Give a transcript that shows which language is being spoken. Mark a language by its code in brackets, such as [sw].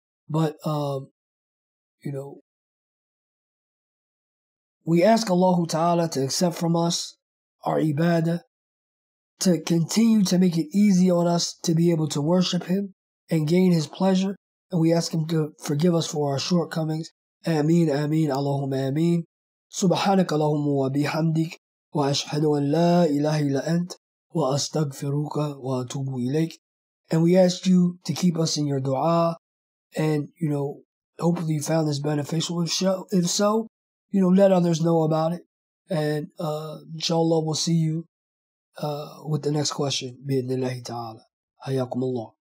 [en] But, you know, we ask Allah Ta'ala to accept from us our ibadah, to continue to make it easy on us to be able to worship Him and gain His pleasure. And we ask Him to forgive us for our shortcomings. Ameen, ameen, Allahumma ameen. [ar] سبحانك اللهم وبحمدك وأشهد أن لا إله إلا أنت وأستغفرك وأتوب إليك. [en] And we ask you to keep us in your dua, and you know, hopefully you found this beneficial. If so, you know, let others know about it, and inshallah we'll see you with the next question بإذن الله تعالى. حياكم الله.